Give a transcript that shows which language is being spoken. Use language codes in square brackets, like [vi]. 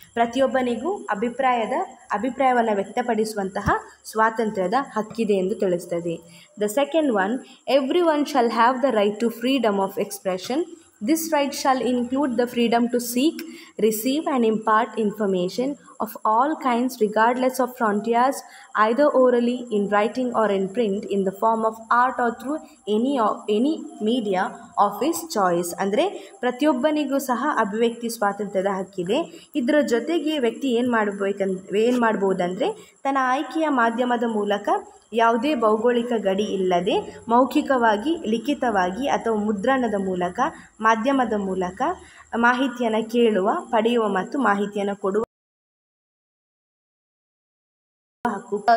[kn] ಪ್ರತಿಯೊಬ್ಬನಿಗೂ ಅಭಿಪ್ರಾಯವನ್ನು ವ್ಯಕ್ತಪಡಿಸುವಂತಹ ಸ್ವಾತಂತ್ರ್ಯದ ಹಕ್ಕಿದೆ ಎಂದು ತಿಳಿಸ್ತದೆ. [en] The second one, everyone shall have the right to freedom of expression. This right shall include the freedom to seek, receive and impart information of all kinds regardless of frontiers, either orally, in writing or in print, in the form of art or through any media of his choice. [kn] ಅಂದರೆ ಪ್ರತಿಯೊಬ್ಬನಿಗೂ ಸಹ ಅಭಿವ್ಯಕ್ತಿ ಸ್ವಾತಂತ್ರ್ಯದ ಹಕ್ಕಿದೆ. ಇದರ ಜೊತೆಗೆ ವ್ಯಕ್ತಿ ಏನು ಮಾಡ್ಬೋದಂದರೆ ತನ್ನ ಆಯ್ಕೆಯ ಮಾಧ್ಯಮದ ಮೂಲಕ ಯಾವುದೇ ಭೌಗೋಳಿಕ ಗಡಿ ಇಲ್ಲದೆ ಮೌಖಿಕವಾಗಿ, ಲಿಖಿತವಾಗಿ ಅಥವಾ ಮುದ್ರಣದ ಮೂಲಕ, ಮಾಧ್ಯಮದ ಮೂಲಕ ಮಾಹಿತಿಯನ್ನು ಕೇಳುವ, ಪಡೆಯುವ ಮತ್ತು ಮಾಹಿತಿಯನ್ನು ಕೊಡುವ ಹಕ್ಕು.